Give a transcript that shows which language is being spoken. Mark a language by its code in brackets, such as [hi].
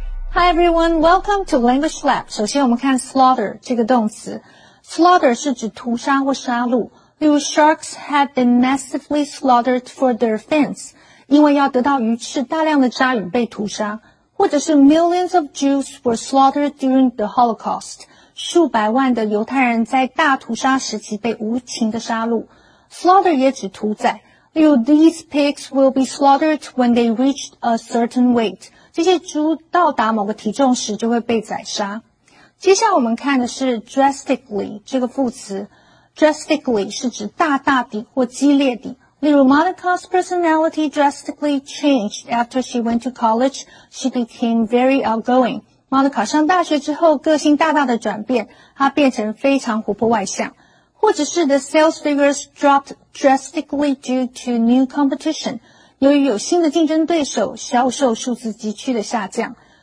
[en] Hi everyone, welcome to Language Lab. [zh] 首先我们看 [en] slaughter [zh] 这个动词。 [en] Slaughter [zh] 是指屠杀或杀戮。例如 [en] sharks have been massively slaughtered for their fins. [zh] 因为要得到鱼翅，大量的鲨鱼被屠杀。或者是 [en] millions of Jews were slaughtered during the Holocaust. [zh] 数百万的犹太人在大屠杀时期被无情的杀戮。 Slaughter 也指屠宰。例如 [en] these pigs will be slaughtered when they reached a certain weight. [zh] 这些猪到达某个体重时就会被宰杀。接下来我们看的是 drastically 这个副词。 [en] drastically [zh] 是指大大的或激烈的。例如 [en] Monica's personality drastically changed after she went to college. She became very outgoing. [zh] Monica 上大学之后个性大大的转变，她变成非常活泼外向。或者是 [en] the sales figures dropped drastically due to new competition. [zh] 由于有新的竞争对手，销售数字急剧的下降。